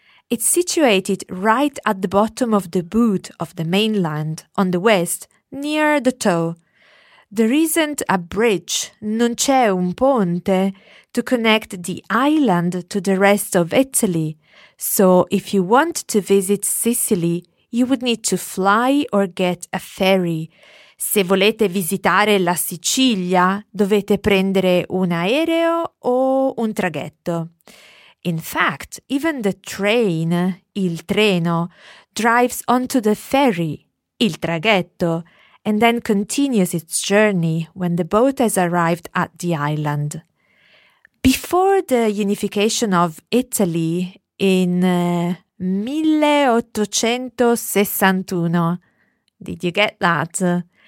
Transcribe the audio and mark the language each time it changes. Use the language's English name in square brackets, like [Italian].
[English] It's situated right at the bottom of the boot of the mainland, on the west, near the toe. There isn't a bridge, [Italian] non c'è un ponte, [English] to connect the island to the rest of Italy. So if you want to visit Sicily, you would need to fly or get a ferry. [Italian] Se volete visitare la Sicilia, dovete prendere un aereo o un traghetto. [English] In fact, even the train, il treno, drives onto the ferry, il traghetto, and then continues its journey when the boat has arrived at the island. Before the unification of Italy in 1861, did you get that?